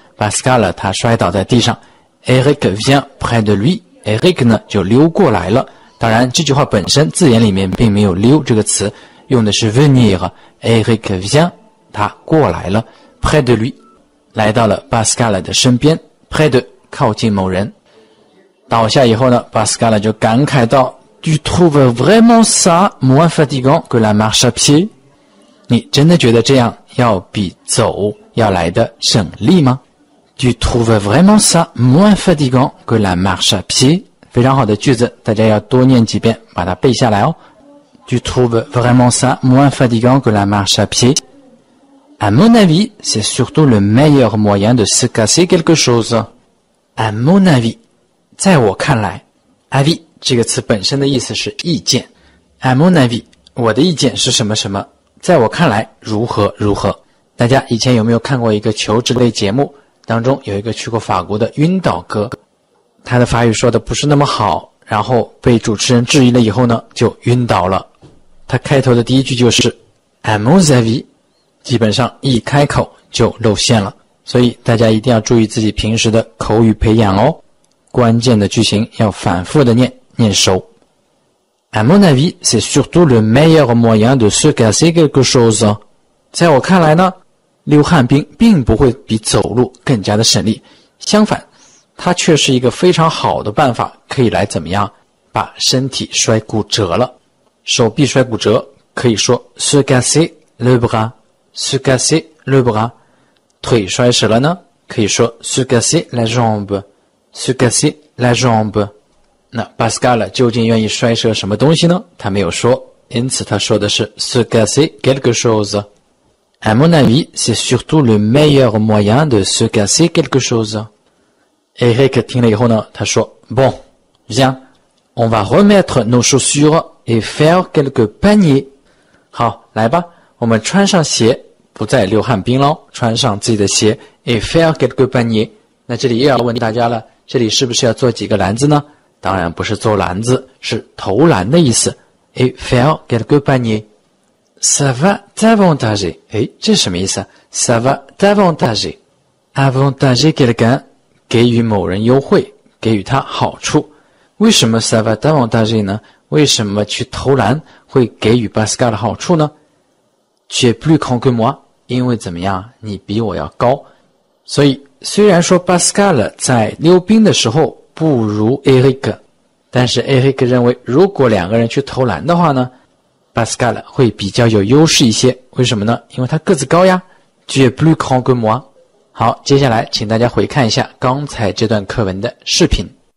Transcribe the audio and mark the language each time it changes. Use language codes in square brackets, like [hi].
[zh] Pascal 他摔倒在地上 , [fr] Eric vient près de lui, [zh] Eric 呢就溜过来了。当然这句话本身字眼里面并没有溜这个词，用的是 venir, [fr] Eric vient, [zh] 他过来了 [fr] près de lui, [zh] 来到了 Pascal 的身边 [fr] près de, [zh] 靠近某人。 [fr] 倒下以后呢 ,Pascal [zh] 就感慨道 [fr] Tu trouves vraiment ça moins fatigant que la marche à pied? [zh] 你真的觉得这样要比走要来的省力吗 [fr] ?Tu trouves vraiment ça moins fatigant que la marche à pied? [zh] 非常好的句子，大家要多念几遍，把它背下来哦。 [fr] Tu trouves vraiment ça moins fatigant que la marche à pied? À mon avis, c'est surtout le meilleur moyen de se casser quelque chose. À mon avis, [zh] 在我看来 ,avis, 这个词本身的意思是意见。 [fr] À mon avis, [zh] 我的意见是什么什么，在我看来如何如何。大家以前有没有看过一个求职类节目，当中有一个去过法国的晕倒哥，他的法语说的不是那么好，然后被主持人质疑了以后呢就晕倒了。他开头的第一句就是 [fr] À mon avis, [zh] 基本上一开口就露馅了。所以大家一定要注意自己平时的口语培养哦。关键的句型要反复的念念熟。 [fr] À mon avis, c'est surtout le meilleur moyen de se casser quelque chose. [zh] 在我看来呢，溜旱冰并不会比走路更加的省力。相反，它却是一个非常好的办法，可以来怎么样把身体摔骨折了。手臂摔骨折可以说 [fr] se casser le bras, [zh] se casser le bras。腿摔折了呢可以说 [fr] se casser la jambe, [zh] se casser la jambe。那 Pascal 究竟愿意摔折什么东西呢？他没有说，因此他说的是 [fr] se casser quelque chose。 À mon avis, c'est surtout le meilleur moyen de se casser quelque chose。 Eric 听了以后呢，他说 Bon, viens, on va remettre nos chaussures et faire quelques paniers. [zh] 好，来吧，我们穿上鞋，不再溜旱冰了，穿上自己的鞋 [fr] et faire quelques paniers. [zh] 那这里又要问大家了，这里是不是要做几个篮子呢？当然不是做篮子，是投篮的意思 [fr] et faire quelques paniers. Ça va t'avantager. [zh] 诶，这什么意思？ [fr] Ça va t'avantager. Avantager quelqu'un. [zh] 给予某人优惠，给予他好处。为什么 [fr] ça va t'avantager [zh] 呢？为什么去投篮会给予 Pascal 的好处呢？ [fr] Tu es plus grand que moi, [zh] 因为怎么样，你比我要高。所以虽然说 Pascal 在溜冰的时候不如 Eric, 但是 Eric 认为如果两个人去投篮的话呢， Pascal 会比较有优势一些。为什么呢？因为他个子高呀。 [fr] Tu es plus grand que moi。 [zh] 好，接下来请大家回看一下刚才这段课文的视频。